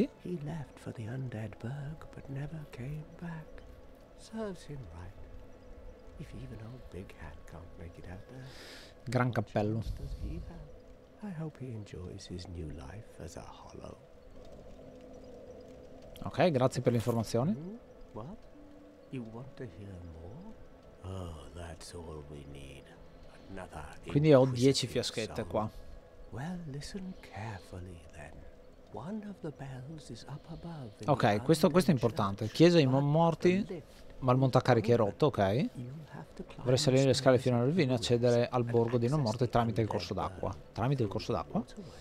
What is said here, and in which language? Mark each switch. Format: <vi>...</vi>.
<en>He left for the undead burg, but never came back. Serves him right. If even old Big Hat can't make it out there,</en> <it>gran cappello.</it> <en>I hope he enjoys his new life as a hollow.</en> <it>Ok, grazie per le informazioni.</it> <en>What? You want to hear more? Oh, that's all we need. Another.</en> <it>Quindi ho 10 fiaschette qua.</it> <en>Well, listen carefully then. One of the bells is up above.</en> <it>Ok, questo è importante. Chiesa ai morti. Ma il montacarichi è rotto, ok. Dovrei salire le scale fino alla rovina e accedere al borgo dei non morti tramite il corso d'acqua. Tramite il corso d'acqua? Ok.</it>